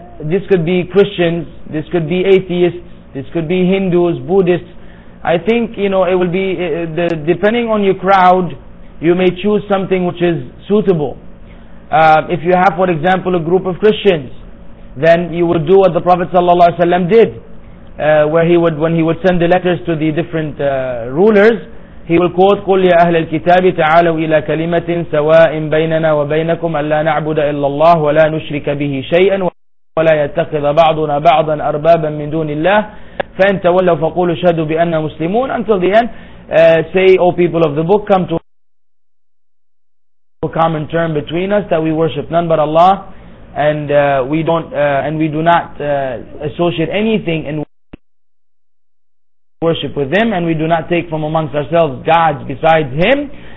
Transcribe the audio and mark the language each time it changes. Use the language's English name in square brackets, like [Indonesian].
[English] This could be Christians. This could be atheists. This could be Hindus, Buddhists. I think, you know, it will be, depending on your crowd, you may choose something which is suitable. If you have, for example, a group of Christians, then you would do what the Prophet ﷺ did. Where he would, when he would send the letters to the different rulers, he will quote, [Arabic] قُلْ يَا أَهْلَ الْكِتَابِ تَعَالَوْا إِلَىٰ كَلِمَةٍ سَوَاءٍ بَيْنَنَا وَبَيْنَكُمْ أَلَّا نَعْبُدَ إِلَّا اللَّهُ وَلَا نُشْرِكَ بِهِ شَيْئًا وَلَا يَتَّخِذَ بَعْضُنَا بَعْضًا أَرْبَابًا مِنْ دُونِ اللَّهِ فَإِنْ تَوَلَّوْا فَقُولُوا شَهَدُوا بِأَنَّا مُسْلِمُونَ. [English] Until the end, say, O people of the book, come to a common term between us that we worship none but Allah, and we do not associate anything in worship with them, and we do not take from amongst ourselves gods besides him.